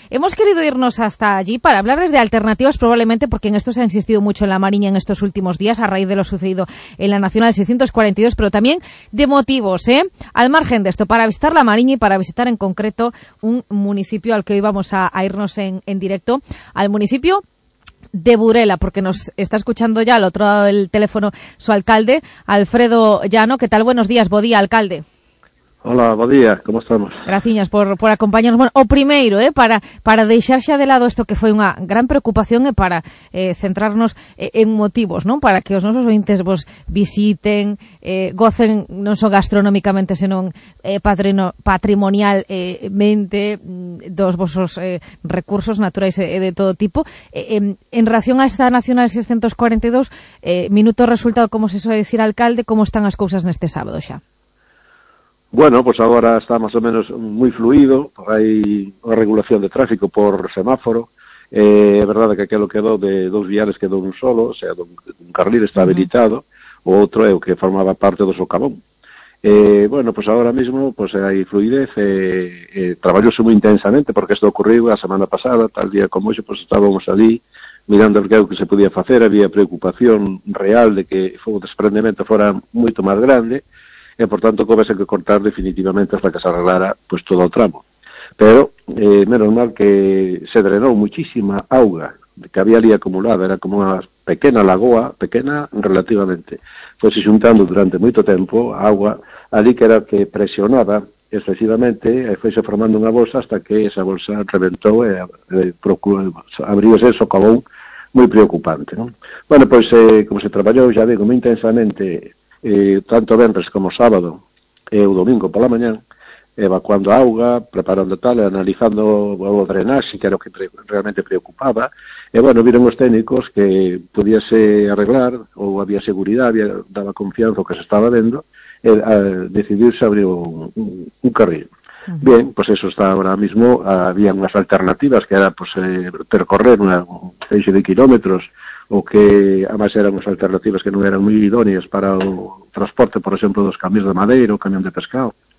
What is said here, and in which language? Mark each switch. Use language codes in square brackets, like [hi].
[es] Hemos querido irnos hasta allí para hablarles de alternativas, probablemente porque en esto se ha insistido mucho en la Mariña en estos últimos días a raíz de lo sucedido en la Nacional 642, pero también de motivos, al margen de esto, para visitar la Mariña y para visitar en concreto un municipio al que hoy vamos a irnos en directo, al municipio de Burela, porque nos está escuchando ya al otro lado del teléfono su alcalde, Alfredo Llano. ¿Qué tal? Buenos días, Bodía, alcalde. Hola, Bodía, ¿cómo estamos? [gl] Graciñas por acompañarnos. Bueno, o primeiro, para deixar xa de lado esto que foi unha gran preocupación e para centrarnos en motivos, non? Para que os nosos ointes vos visiten, gocen non só gastronómicamente, senón patrimonialmente dos vosos recursos naturais e de todo tipo. En relación a esta Nacional 642, minuto resultado, como se soe dicir, alcalde, como están as cousas neste sábado xa? [es] Bueno, pues ahora está más o menos muy fluido, hay una regulación de tráfico por semáforo, es verdad que aquello quedó de dos viales, quedó un solo, o sea, un carril está habilitado, o otro es que formaba parte de socavón. Bueno, pues ahora mismo pues hay fluidez, trabajóse muy intensamente porque esto ocurrió la semana pasada, tal día como hoy, pues estábamos allí mirando el que se podía hacer, había preocupación real de que el desprendimiento fuera mucho más grande, e, por tanto, [gl] houvese [es] que cortar definitivamente hasta que se arreglara pues, [gl] todo o tramo. Pero, menos mal que se drenou muchísima auga que había ali acumulada, era como unha pequena lagoa, pequena relativamente, fose xuntando durante moito tempo a auga ali que era que presionaba excesivamente e fose formando unha bolsa hasta que esa bolsa reventou e abriuse o socavón moi preocupante. ¿No? Bueno, pois, como se traballou, xa digo, moi intensamente tanto vendres como sábado e o domingo pola mañá, evacuando a auga, preparando tal, analizando o drenaxe, que era o que realmente preocupaba, e, bueno, viron os técnicos que podíase arreglar, ou había seguridade, daba confianza o que se estaba vendo, e decidirse abrir un carril. Uh-huh. [es] Bien, pues eso está ahora mismo, había unhas alternativas, que era, pues, percorrer unha serie de kilómetros, o que además eran unas alternativas que no eran muy idóneas para el transporte, por ejemplo, dos camiones de madera o camión de pescado.